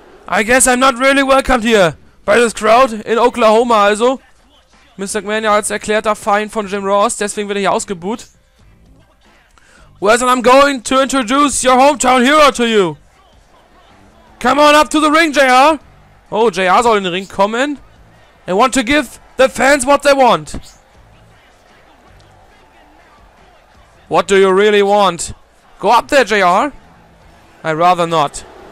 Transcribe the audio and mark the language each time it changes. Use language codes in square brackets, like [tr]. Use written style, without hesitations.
[en] I guess I'm not really welcomed here by this crowd in Oklahoma, also. Mr. [de] McMahon ja als erklärter Feind von Jim Ross, deswegen wird er hier ausgebuht. [en] Well, then I'm going to introduce your hometown hero to you. Come on up to the ring, JR. [de] Oh, JR soll in den Ring kommen. [en] I want to give the fans what they want. What do you really want? Go up there, JR. I'd rather not.